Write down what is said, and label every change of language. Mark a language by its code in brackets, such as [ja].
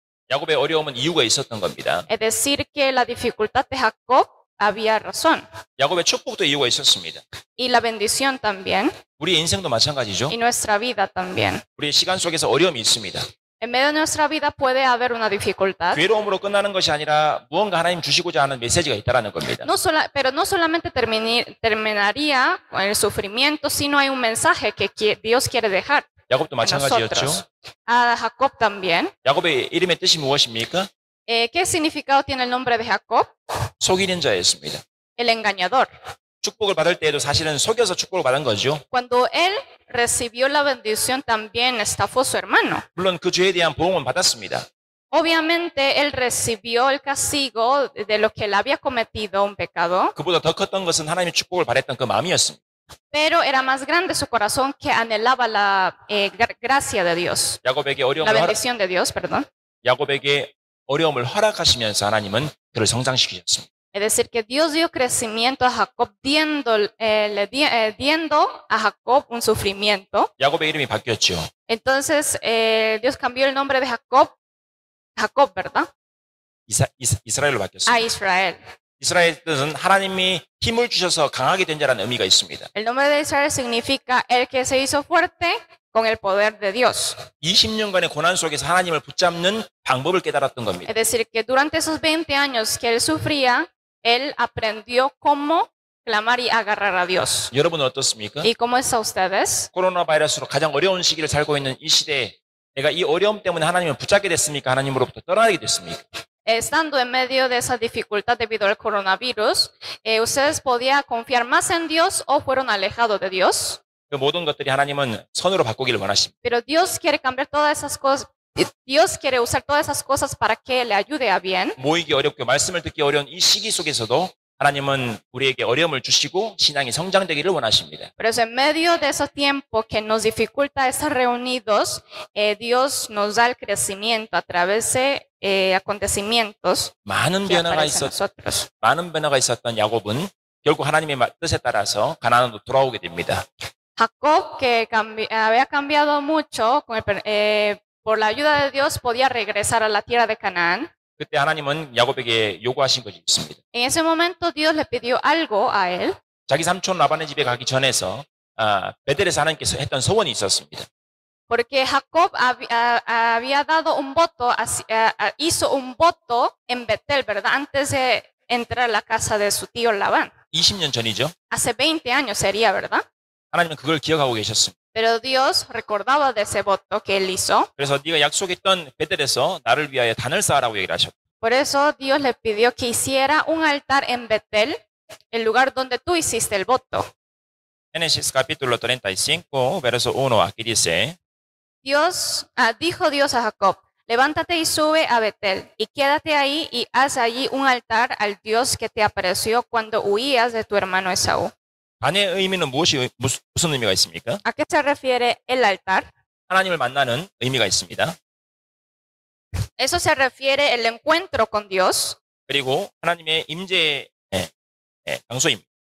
[ko] 야곱의 어려움은 이유가 있었던 겁니다. [es] Es decir que la dificultad de Jacob había razón. [ko] 야곱의 축복도 이유가 있었습니다. [es] Y la bendición también. [ko] 우리 인생도 마찬가지죠. [es] Y nuestra vida también. [ko] 우리 시간 속에서 어려움이 있습니다. [es] En medio de nuestra vida puede haber una dificultad. [ko] 괴로움으로 끝나는 것이 아니라 무언가 하나님 주시고자 하는 메시지가 있다라는 겁니다. [es] Pero no solamente terminaría con el sufrimiento, sino hay un mensaje que Dios quiere dejar. [ko] 야곱도 마찬가지였죠. [es] A Jacob también. [ko] 야곱의 이름의 뜻이 무엇입니까? [es] ¿Qué significado tiene el nombre de Jacob? [ko] 속이는 자였습니다. [es] El engañador. [ko] 축복을 받을 때에도 사실은 속여서 축복을 받은 거죠. [es] Cuando él recibió la bendición también estafó su hermano. [ko] 물론 그 죄에 대한 보응은 받았습니다. [es] Obviamente él recibió el castigo de lo que él había cometido un pecado. [ko] 그보다 더 컸던 것은 하나님의 축복을 바랬던 그 마음이었습니다. [es] Pero era más grande su corazón que anhelaba la gracia de Dios. [ko] 야곱에게 어려움을 [es] la bendición de Dios, perdón. [ko] 야곱에게 어려움을 허락하시면서 하나님은 그를 성장시키셨습니다. [es] Es decir, que Dios dio crecimiento a Jacob, diendo a Jacob un sufrimiento. [ko] 야곱의 이름이 바뀌었죠. [es] Entonces, Dios cambió el nombre de Jacob, Jacob, ¿verdad? [ko] 이스라엘로 바뀌었습니다. [es] A Israel. [ko] 이스라엘 뜻은 하나님이 힘을 주셔서 강하게 된 자라는 의미가 있습니다. [es] El nombre de Israel significa el que se hizo fuerte con el poder de Dios. [ko] 20년간의 고난 속에서 하나님을 붙잡는 방법을 깨달았던 겁니다. [es] Es decir, que durante esos 20 años que él sufría, él aprendió cómo clamar y agarrar a Dios. [ko] 여러분은 어떻습니까? [es] ¿Y cómo están ustedes? [ko] 코로나 바이러스로 가장 어려운 시기를 살고 있는 이 시대에 내가 이 어려움 때문에 하나님을 붙잡게 됐습니까? 하나님으로부터 떠나게 됐습니까? [es] Estando en medio de esa dificultad debido al coronavirus, ¿ustedes podían confiar más en Dios o fueron alejados de Dios? [ko] 그 모든 것들이 하나님은 선으로 바꾸기를 원하십니다. [es] Pero Dios quiere cambiar todas esas cosas. Dios quiere usar todas esas cosas para que le ayude a bien. [ko] 모이기 어렵고 말씀을 듣기 어려운 이 시기 속에서도 하나님은 우리에게 어려움을 주시고 신앙이 성장되기를 원하십니다. [es] Pero en medio de ese tiempo que nos dificulta estar reunidos, Dios nos da el crecimiento a través de acontecimientos. [ko] 많은 변화가 있었던 야곱은 결국 하나님의 뜻에 따라서 가나안으로 돌아오게 됩니다. [es] Jacob que había cambiado mucho por la ayuda de Dios podía regresar a la tierra de Canaán. [ko] 그때 하나님은 야곱에게 요구하신 것이 있습니다. [es] En ese momento Dios le pidió algo a él. [ko] 자기 삼촌 라반의 집에 가기 전에서 베델에서 하나님께서 했던 소원이 있었습니다. [es] Porque Jacob había dado un voto, hizo un voto en Betel, ¿verdad? Antes de entrar a la casa de su tío Labán. [ko] 20년 전이죠. [es] Hace 20 años sería, ¿verdad? [ko] 하나님은 그걸 기억하고 계셨습니다. [es] Pero Dios recordaba de ese voto que él hizo. [ko] 그래서 네가 약속했던 베델에서 나를 위하여 단을 쌓으라고 얘기를 하셨고. [es] Por eso Dios le pidió que hiciera un altar en Betel, el lugar donde tú hiciste el voto. Génesis capítulo 35, verso 1, aquí dice. Dijo Dios a Jacob, levántate y sube a Betel, y quédate ahí y haz allí un altar al Dios que te apareció cuando huías de tu hermano Esaú. [ko] 단의 의미는 무엇이 무슨 의미가 있습니까? [es] ¿A qué se refiere el altar? [ko] 하나님을 만나는 의미가 있습니다. [es] Eso se refiere el encuentro con Dios. [ko] 그리고 하나님의 임재의 장소입니다.